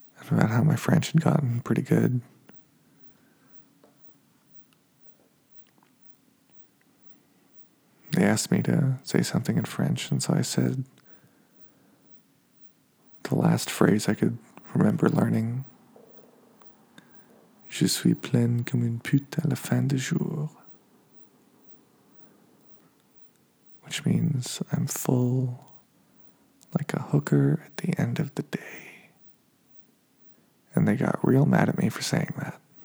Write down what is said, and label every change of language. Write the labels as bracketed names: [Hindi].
[English] about how my French had gotten pretty good. They asked me to say something in French, and so I said the last phrase I could remember learning. [French] Je suis pleine comme une pute à la fin du jour. [English] Which means I'm full like a hooker at the end of the day. And they got real mad at me for saying that.